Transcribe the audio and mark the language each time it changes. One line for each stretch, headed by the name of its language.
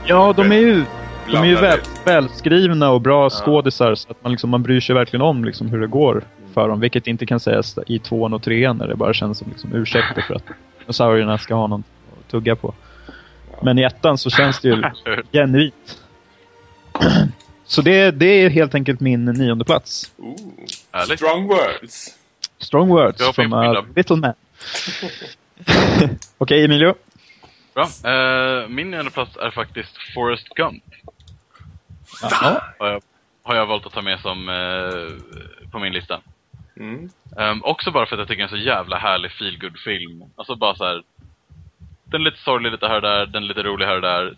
Swedish: Ja, de är ju välskrivna och bra skådisar, så att man bryr sig verkligen om liksom hur det går för dem, vilket inte kan sägas i tvåan och trean, när det bara känns som liksom ursäkter för att dinosaurierna ska ha någon att tugga på. Men i ettan så känns det ju genuint. Så det är helt enkelt min nionde plats.
English: Ooh, strong words. Strong words from a little man.
Swedish: Okej, okay, Emilio. Bra. Min nionde plats är faktiskt Forrest Gump. Har jag valt att ta med som på min lista. Också bara för att jag tycker det är en så jävla härlig feel good film. Alltså bara så här, den är lite sorglig lite här och där, den är lite rolig här och där.